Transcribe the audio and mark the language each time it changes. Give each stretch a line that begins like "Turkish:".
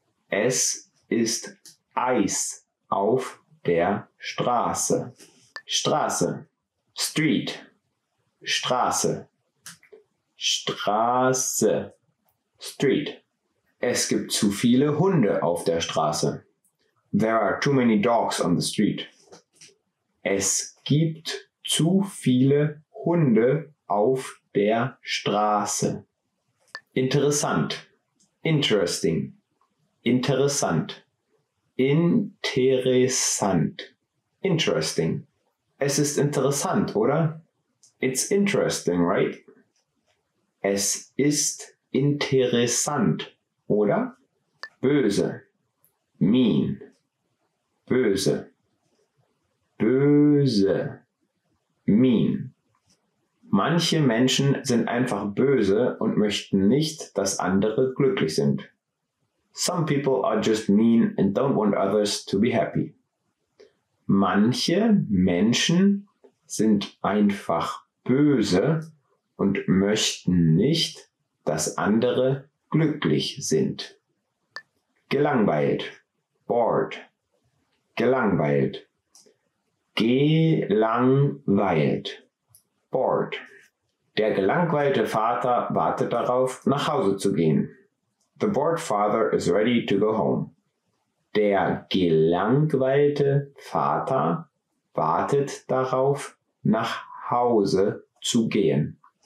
German: Es ist Eis auf der Straße. Straße.
English: Street.
German: Straße. Straße.
English: Street.
German: Es gibt zu viele Hunde auf der Straße.
English: There are too many dogs on the street.
German: Es gibt zu viele Hunde auf der Straße. Interessant.
English: Interesting.
German: Interessant. Interessant.
English: Interesting.
German: Es ist interessant, oder?
English: It's interesting, right?
German: Es ist interessant, oder? Böse.
English: Mean.
German: Böse. Böse.
English: Mean.
German: Manche Menschen sind einfach böse und möchten nicht, dass andere glücklich sind.
English: Some people are just mean and don't want others to be happy.
German: Manche Menschen sind einfach böse und möchten nicht, dass andere glücklich sind. Gelangweilt.
English: Bored.
German: Gelangweilt. Gelangweilt.
English: Bored.
German: Der gelangweilte Vater wartet darauf, nach Hause zu gehen.
English: The bored father is ready to go home.
German: Der gelangweilte Vater wartet darauf, nach Hause zu gehen.